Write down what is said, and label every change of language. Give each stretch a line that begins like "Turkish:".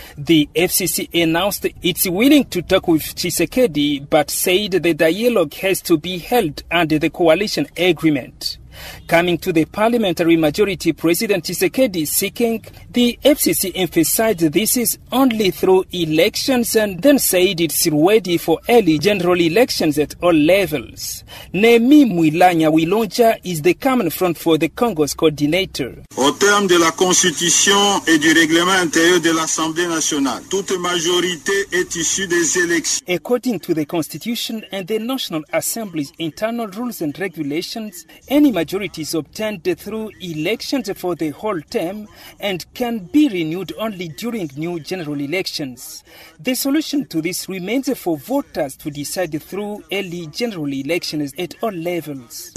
English: The FCC announced it's willing to talk with Tshisekedi, but said the dialogue has to be held under the coalition agreement. Coming to the parliamentary majority President Tshisekedi is seeking, the FCC emphasized this is only through elections and then said it's ready for early general elections at all levels. Nemi Mwilanya Wilonja is the Common Front for the Congo's coordinator.
French: Au terme de la Constitution et du règlement intérieur de l'Assemblée nationale, toute majorité est issue des élections.
English: According to the Constitution and the National Assembly's internal rules and regulations, any majorities obtained through elections for the whole term and can be renewed only during new general elections. The solution to this remains for voters to decide through early general elections at all levels.